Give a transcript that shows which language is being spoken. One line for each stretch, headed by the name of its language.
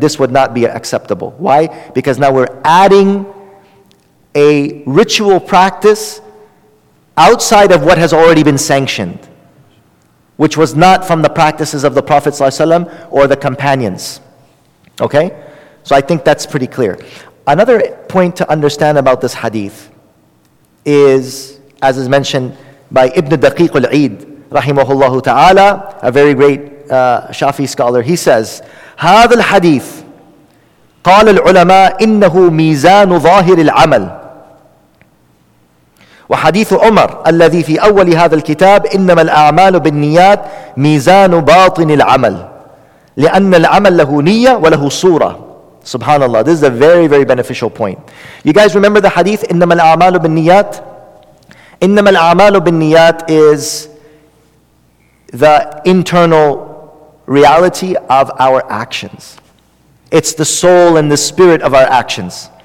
English: This would not be acceptable. Why? Because now we're adding a ritual practice outside of what has already been sanctioned, which was not from the practices of the Prophet ﷺ or the companions. Okay? So I think that's pretty clear. Another point to understand about this hadith is, as is mentioned by Ibn Daqiq al-Eid, rahimahullahu ta'ala, a very great Shafi scholar, he says,
Arabic: هذا الحديث قال العلماء إنه ميزان ظاهر العمل وحديث عمر الذي في أول هذا الكتاب إنما الأعمال بالنيات ميزان باطن العمل لأن العمل له نية وله صورة.
English: Subhanallah, this is a very, very beneficial point. You guys remember the hadith,
Arabic: إِنَّمَا الْأَعْمَالُ بِالنِّيَاتِ?
English: إِنَّمَا الْأَعْمَالُ بِالنِّيَاتِ is the internal reality of our actions. It's the soul and the spirit of our actions.